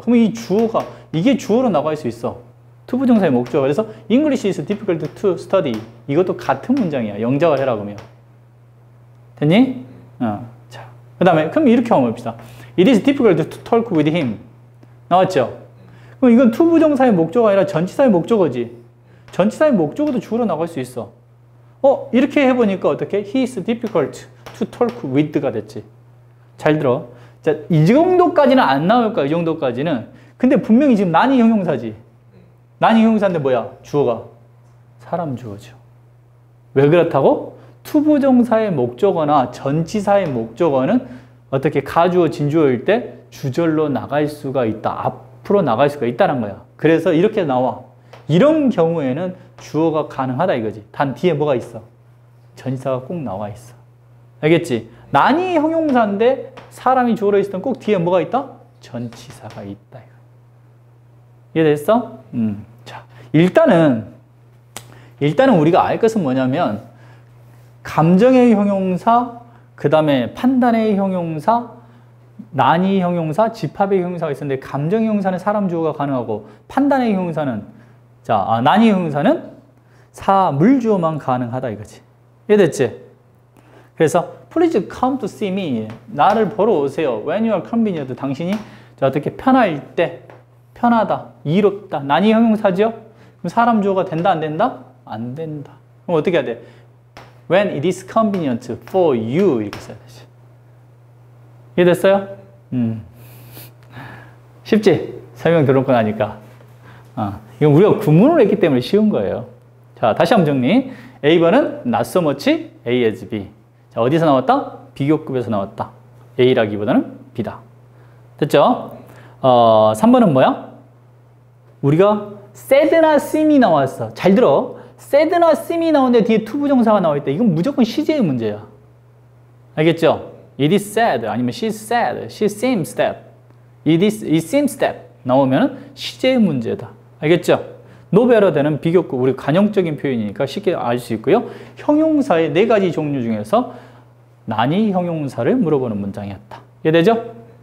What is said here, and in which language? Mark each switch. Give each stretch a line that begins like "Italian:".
Korean: 그러면 이 주어가, 이게 주어로 나갈 수 있어. 투부정사의 목적어. 그래서
English: English is difficult to study.
Korean: 이것도 같은 문장이야. 영작을 해라 그러면. 됐니? 자, 그 다음에 그럼 이렇게 한번 봅시다.
English: It is difficult to talk with him.
Korean: 나왔죠? 그럼 이건 투부정사의 목적어가 아니라 전치사의 목적어지. 전치사의 목적어도 주어로 나갈 수 있어. 이렇게 해보니까 어떻게?
English: He is difficult to talk with가
Korean: 됐지. 잘 들어. 자, 이 정도까지는 안 나올 거야, 이 정도까지는. 근데 분명히 지금 난이 형용사지. 난이 형용사인데 뭐야? 주어가? 사람 주어죠. 왜 그렇다고? 투부정사의 목적어나 전치사의 목적어는 어떻게 가주어, 진주어일 때 주절로 나갈 수가 있다. 앞으로 나갈 수가 있다는 거야. 그래서 이렇게 나와. 이런 경우에는 주어가 가능하다 이거지. 단 뒤에 뭐가 있어? 전치사가 꼭 나와 있어. 알겠지? 난이 형용사인데 사람이 주어로 있으면 꼭 뒤에 뭐가 있다? 전치사가 있다. 이해됐어? 자, 일단은 우리가 알 것은 뭐냐면 감정의 형용사, 그 다음에 판단의 형용사, 난이 형용사, 집합의 형용사가 있었는데 감정의 형용사는 사람 주어가 가능하고 판단의 형용사는 난이 형용사는 사물주어만 가능하다 이거지. 이해됐지?
English: 그래서 Please come to see me.
Korean: 나를 보러 오세요.
English: When you are convenient.
Korean: 당신이 어떻게 편할 때, 편하다, 이롭다. 난이 형용사죠? 그럼 사람 주어가 된다, 안 된다? 안 된다. 그럼 어떻게 해야 돼?
English: When it is convenient for you.
Korean: 이렇게 써야 되지. 이해됐어요? 쉽지? 설명 들은 거 나니까. 이건 우리가 구문을 했기 때문에 쉬운 거예요. 자, 다시 한번 정리.
English: A번은 not so much A as B.
Korean: 자, 어디서 나왔다? 비교급에서 나왔다. A라기보다는 B다. 됐죠? 3번은 뭐야? 우리가 said not seem이 나왔어. 잘 들어. said not seem이 나오는데 뒤에 to 부정사가 나와있다. 이건 무조건 시제의 문제야. 알겠죠?
English: It is said,
Korean: 아니면
English: she's sad, she seems that. It seems that.
Korean: 나오면 시제의 문제다. 알겠죠? 노베라되는 비교급, 우리 관용적인 표현이니까 쉽게 알 수 있고요. 형용사의 네 가지 종류 중에서 난이 형용사를 물어보는 문장이었다. 이해되죠?